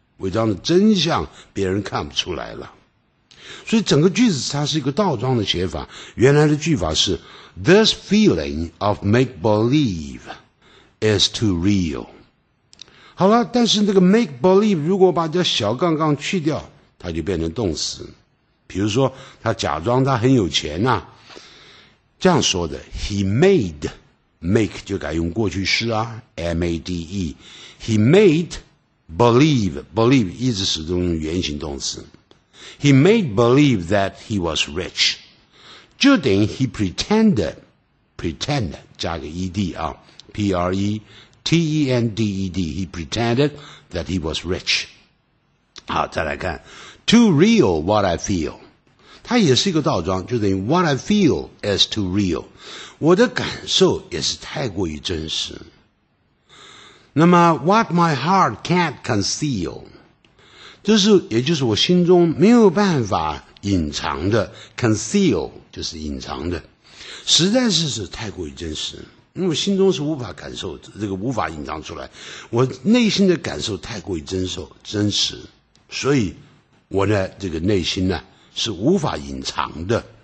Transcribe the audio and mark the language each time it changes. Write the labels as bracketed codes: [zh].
[zh] 伪装的真相别人看不出来了。所以整个句子它是一个倒装的写法原来的句法是 [en] This feeling of make-believe is too real [zh] 好了但是那个 make-believe 如果把这小杠杠去掉它就变成动词比如说他假装他很有钱啊这样说的 [en] He made make [zh] 就改用过去式啊 [en] M-A-D-E He made believe believe [zh] 一直始终用原形动词 [en] He made believe that he was rich. [zh] 就等于 [en] he pretended, pretended, [zh] 加个 [en] ed 啊 ,P-R-E-T-E-N-D-E-D, he pretended that he was rich. [zh] 好再来看 [en] ,too real what I feel. [zh] 它也是一个倒装就等于 [en] what I feel is too real. [zh] 我的感受也是太过于真实。那么 [en] what my heart can't conceal, [zh] 就是也就是我心中没有办法隐藏的 conceal 就是隐藏的实在是太过于真实因为我心中是无法感受这个无法隐藏出来我内心的感受太过于真实所以我的这个内心呢是无法隐藏的